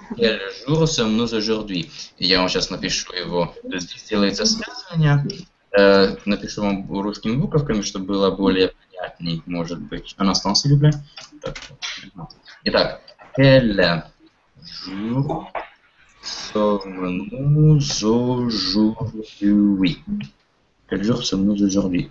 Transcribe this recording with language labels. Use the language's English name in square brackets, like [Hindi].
[French] Quel jour sommes-nous aujourd'hui? [Russian] Я вам сейчас напишу его. Здесь делается связывание. Напишу вам русскими буковками, чтобы было более... Может быть, она останется, с вами. Итак, [French] quel jour Sommes-nous aujourd'hui? Quel jour sommes-nous aujourd'hui?